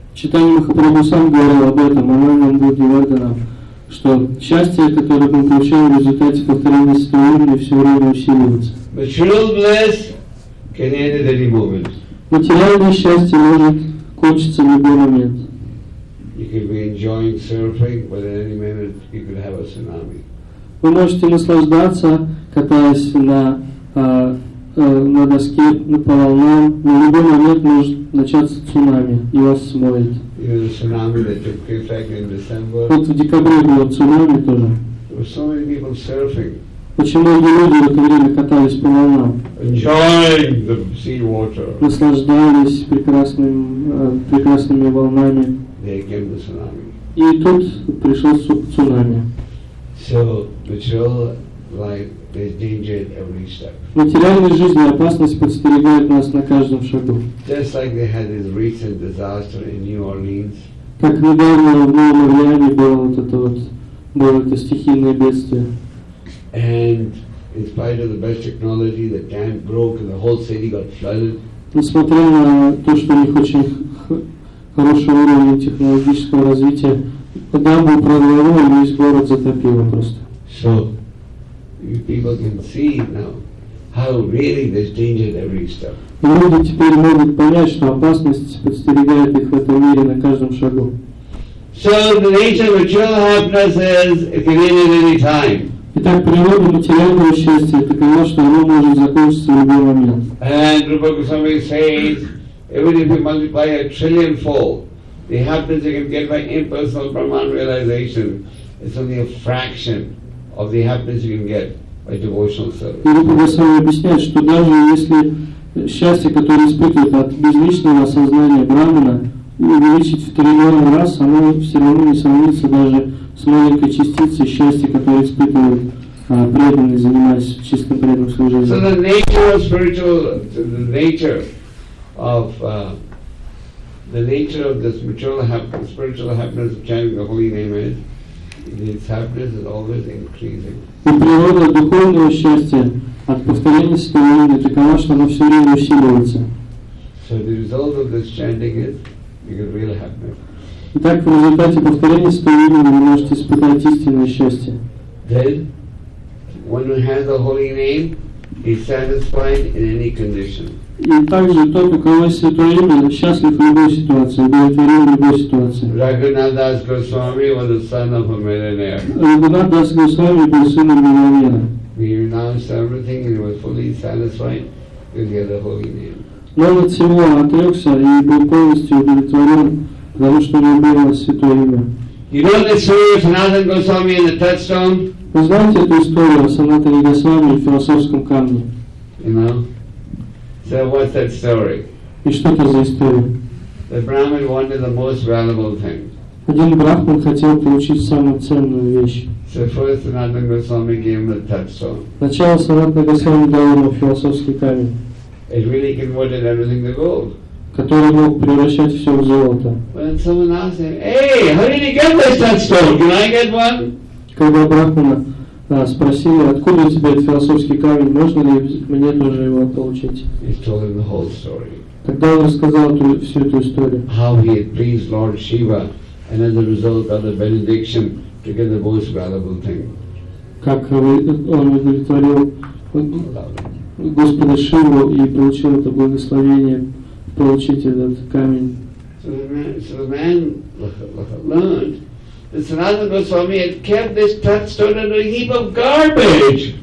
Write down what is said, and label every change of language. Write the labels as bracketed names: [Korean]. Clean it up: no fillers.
[Russian] Чайтанья Махапрабху сам говорил об этом, Ананда Бодхи Вардханам, что счастье, которое мы получаем в результате повторения святого, все время усиливается. [English] Material bliss can end at any moment. [Russian] Материальное счастье может кончиться в любой момент. [English] You can be enjoying surfing, but at any moment you could have a tsunami. [Russian] Вы можете наслаждаться, катаясь на доске по волнам, но в любой момент может начаться цунами и вас смоет. [English] Even the tsunami that took effect in December. [Russian] Вот в декабре было цунами тоже. [English] There were so many people surfing. [Russian] Почему многие люди в это время катались по волнам? [English] Enjoying the sea water. [Russian] Наслаждались прекрасными волнами. [English] There came the tsunami. [Russian] И тут пришел цунами. [English] So material life is danger at every step. [Russian] Материальной жизни опасность подстерегает нас на каждом шагу. [English] Just like they had this recent disaster in New Orleans. [Russian] Как недавно в Новом Орлеане было это стихийное бедствие. [English] And in spite of the best technology, the dam broke and the whole city got flooded. [Russian] Несмотря на то, что у них очень хорошего уровня технологического развития, дамбу прорвало и весь город затопило просто. [English] So, you people can see now how really there's danger at every step. [Russian] Люди теперь могут понять, что опасность подстерегает их в этом мире на каждом шагу. [English] So, the nature of material happiness is it can end at any time. [Russian] Итак, природа материального счастья такова, что оно может закончиться в любой момент. [English] And Rupa Goswami says, even if you multiply a trillion fold, the happiness you can get by impersonal Brahman realization is only a fraction of the happiness you can get by devotional service. [Russian] Rupa Goswami объясняет, что даже если счастье, которое испытывает от безличного осознания Брахмана, увеличить в триллион раз, оно все равно не сравнится даже с маленькой частицей счастья, которое испытывает преданный, занимаясь чисто преданным служением. [English] So the nature of spiritual, the nature of this material happiness, spiritual happiness of chanting the holy name is, its happiness is always increasing. [Russian] И природа духовного счастья от повторения святого имени такова, что оно все время усиливается. [English] So the result of this chanting is you get real happiness. [Russian] Итак, в результате повторения святого имени вы можете испытать истинное счастье. [English] Then, when one has the holy name, he is satisfied in any condition. [Russian] И также тот, у кого есть святое имя, счастлив в любой ситуации, удовлетворен в любой ситуации. [English] Raghunath Das Goswami was the son of a millionaire. [Russian] Raghunath Das Goswami был сыном миллионера. [English] He renounced everything and he was fully satisfied because he had the holy name. [Russian] Но он от всего отрекся и был полностью удовлетворен. Потому что у него было святое имя. [English] You know the story of Sanatana Goswami in the touchstone? [Russian] Вы знаете эту историю о Санатане Госвами и философском камне? [English] You know? So what's that story? [Russian] И что это за история? [English] The Brahmin wanted the most valuable thing. [Russian] Один брахман хотел получить самую ценную вещь. [English] So first Sanatana Goswami gave him the touchstone. [Russian] Сначала Санатана Госвами дал ему философский камень. [English] It really converted everything to gold. [Russian] Который мог превращать все в золото. [English] When someone asked him, "Hey, how did you get this touchstone? Can I get one?" [Russian] Когда брахмана спросили, откуда у тебя этот философский камень, можно ли мне тоже его получить? [English] He told him the whole story. [Russian] Тогда он рассказал всю эту историю. [English] How he had pleased Lord Shiva, and as a result of the benediction, to get the most valuable thing. [Russian] Как он удовлетворил Господа Шиву и получил это благословение. Получить этот камень. [English] So the man learned that Sanatana Goswami had kept this touchstone in a heap of garbage.